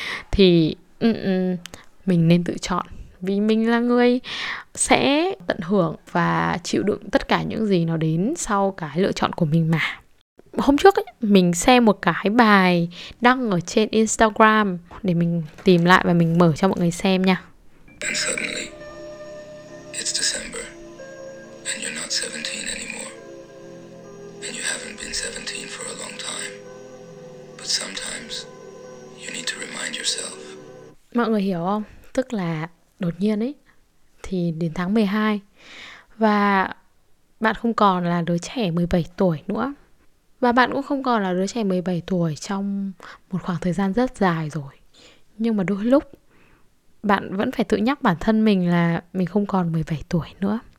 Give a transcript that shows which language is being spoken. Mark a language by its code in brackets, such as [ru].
[vi] Thì mình nên tự chọn. Vì mình là người sẽ tận hưởng và chịu đựng tất cả những gì nó đến sau cái lựa chọn của mình mà. Hôm trước ấy, mình xem một cái bài đăng ở trên Instagram, để mình tìm lại và mình mở cho mọi người xem nha. [en] And suddenly, it's December, and you're not 17 anymore. And you haven't been 17 for a long time. But sometimes, you need to remind yourself. [vi] Mọi người hiểu không? Tức là đột nhiên ấy, thì đến tháng 12, và bạn không còn là đứa trẻ 17 tuổi nữa. Và bạn cũng không còn là đứa trẻ 17 tuổi trong một khoảng thời gian rất dài rồi. Nhưng mà đôi lúc bạn vẫn phải tự nhắc bản thân mình là mình không còn 17 tuổi nữa.